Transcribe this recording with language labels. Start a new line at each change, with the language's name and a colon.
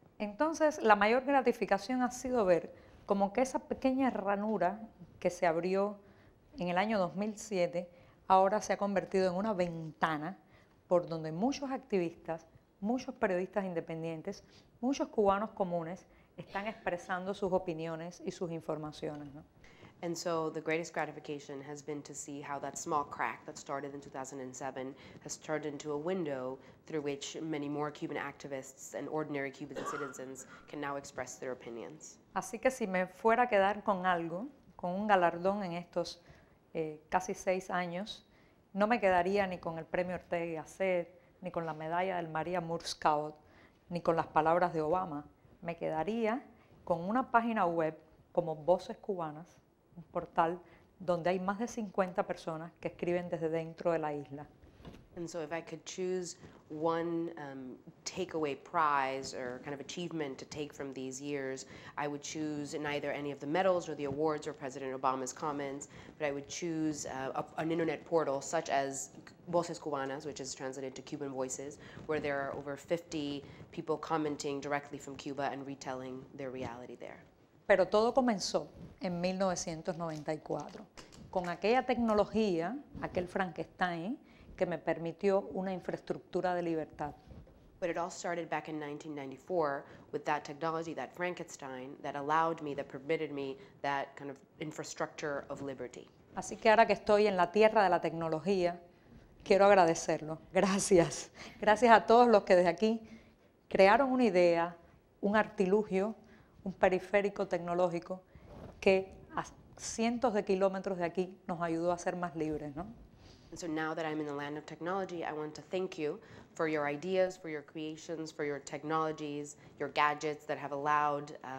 Spanish: Entonces, la mayor gratificación ha sido ver como que esa pequeña ranura que se abrió en el año 2007 ahora se ha convertido en una ventana por donde muchos activistas, muchos periodistas independientes, muchos cubanos comunes están expresando sus opiniones y sus informaciones, ¿no?
English: And so the greatest gratification has been to see how that small crack that started in 2007 has turned into a window through which many more Cuban activists and ordinary Cuban citizens can now express their opinions.
Spanish: Así que si me fuera a quedar con algo, con un galardón en estos casi 6 años, no me quedaría ni con el premio Ortega y Gasset, ni con la medalla del Maria Moore Scout, ni con las palabras de Obama. Me quedaría con una página web como Voces Cubanas, un portal donde hay más de 50 personas que escriben desde dentro de la isla.
English: And so if I could choose one takeaway prize or kind of achievement to take from these years, I would choose neither any of the medals or the awards or President Obama's comments, but I would choose an internet portal such as Voces Cubanas, which is translated to Cuban Voices, where there are over 50 people commenting directly from Cuba and retelling their reality there.
Spanish: Pero todo comenzó en 1994, con aquella tecnología, aquel Frankenstein, que me permitió una infraestructura de libertad.
English: But it all started back in 1994 with that technology, that Frankenstein, that allowed me, that permitted me, that kind of infrastructure of liberty.
Spanish: Así que ahora que estoy en la tierra de la tecnología, quiero agradecerlo. Gracias. Gracias a todos los que desde aquí crearon una idea, un artilugio, un periférico tecnológico que a cientos de kilómetros de aquí nos ayudó a ser más libres, ¿no?
English: And so now that I'm in the land of technology, I want to thank you for your ideas, for your creations, for your technologies, your gadgets that have allowed